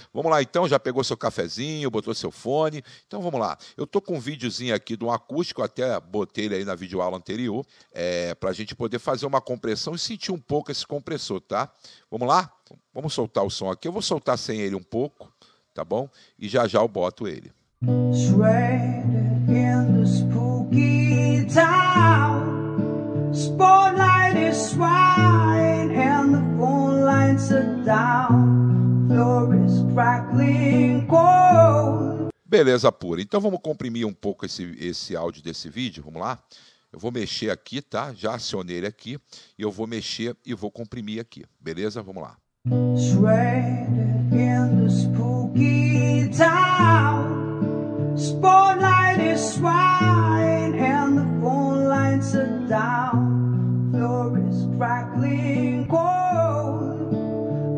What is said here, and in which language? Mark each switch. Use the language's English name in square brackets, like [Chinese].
[Portuguese] Vamos lá então, já pegou seu cafezinho, botou seu fone. Então vamos lá. Eu tô com um videozinho aqui de um acústico, até botei ele aí na videoaula anterior, para a gente poder fazer uma compressão e sentir um pouco esse compressor, tá? Vamos lá? Vamos soltar o som aqui. Eu vou soltar sem ele um pouco, tá bom? E já já eu boto ele. [English] In the spooky town, spotlight is swaying and the phone lines are down. Floor is crackling cold. [Portuguese] Beleza pura. Então vamos comprimir um pouco esse áudio desse vídeo. Vamos lá? Eu vou mexer aqui, tá? Já acionei ele aqui. E eu vou mexer e vou comprimir aqui. Beleza? Vamos lá. [English] Shredded in the spooky town. Spotlight is swine and the phone lines are down. Floor is crackling cold.